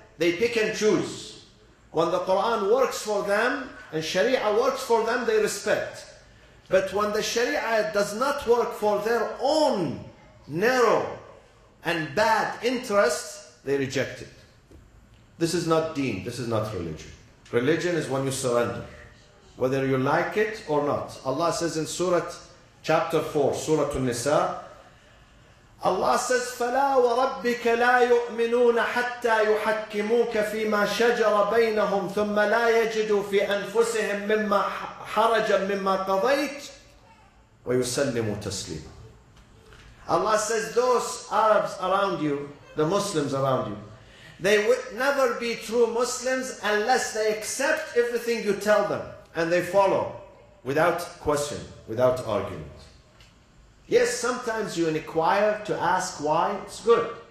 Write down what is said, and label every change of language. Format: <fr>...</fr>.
<en>They pick and choose. When the Quran works for them and Sharia works for them, they respect. But when the Sharia does not work for their own narrow and bad interests, they reject it. This is not deen. This is not religion. Religion is when you surrender, whether you like it or not. Allah says in Surah chapter 4, Surah An-Nisa, Allah says,</en> <ar>فَلَا وَرَبِّكَ لَا يُؤْمِنُونَ حَتَّى يُحَكِّمُوكَ فِي مَا شَجَرَ بَيْنَهُمْ ثُمَّ لَا يَجِدُوا فِي أَنفُسِهِمْ مِمَّا حَرَجًا مِمَّا قَضَيْتَ وَيُسَلِّمُوا تَسْلِيمًا.</ar> <en>Allah says, those Arabs around you, the Muslims around you, they would never be true Muslims unless they accept everything you tell them and they follow without question, without argument. Yes, sometimes you inquire to ask why, it's good.</en>